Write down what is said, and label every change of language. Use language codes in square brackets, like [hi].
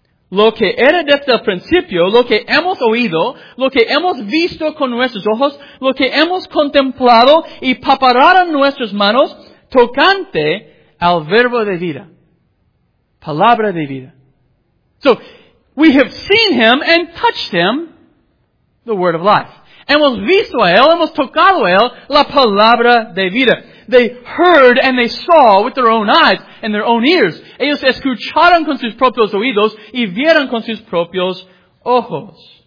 [es] Lo que era desde el principio, lo que hemos oído, lo que hemos visto con nuestros ojos, lo que hemos contemplado y palparon nuestras manos, tocante al verbo de vida. Palabra de vida. [en] So, we have seen him and touched him, the word of life. [es] Hemos visto a él, hemos tocado a él, la palabra de vida. [en] They heard and they saw with their own eyes and their own ears. [es] Ellos escucharon con sus propios oídos y vieron con sus propios ojos.